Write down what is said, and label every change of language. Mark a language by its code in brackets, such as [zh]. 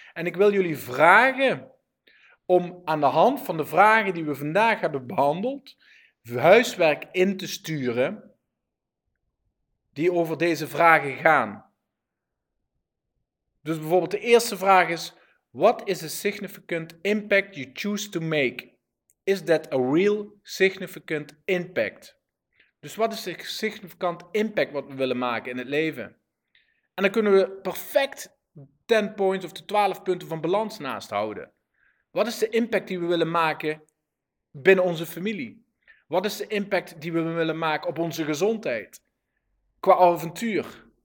[nl] En ik wil jullie vragen om aan de hand van de vragen die we vandaag hebben behandeld, huiswerk in te sturen die over deze vragen gaan. Dus bijvoorbeeld de eerste vraag is: [en] what is a significant impact you choose to make? Is that a real significant impact? [nl] Dus wat is de significant impact wat we willen maken in het leven? En dan kunnen we perfect 10 points of de 12 punten van balans naast houden. Wat is de impact die we willen maken binnen onze familie? Wat is de impact die we willen maken op onze gezondheid? Qua avontuur?